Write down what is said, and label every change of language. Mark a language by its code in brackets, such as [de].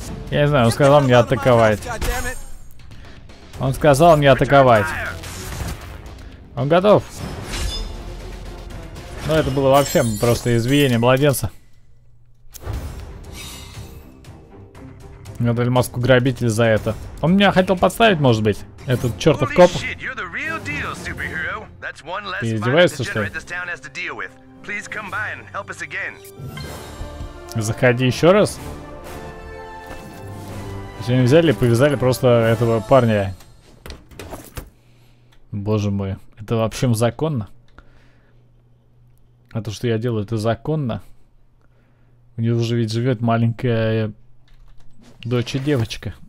[ru] Я не знаю, он сказал мне атаковать. Он сказал мне атаковать. Он готов. Но это было вообще просто избиение младенца. Мне дали маску грабитель за это. Он меня хотел подставить, может быть, этот чертов коп. [en] Holy shit, you're the real deal. deal, superhero. That's one less fire degenerate this town has to deal with. Please come by and help us again. [ru] Заходи еще раз. Сегодня взяли и повязали просто этого парня. Боже мой, это вообще законно? А то, что я делаю, это законно? У него уже ведь живет маленькая дочь и девочка.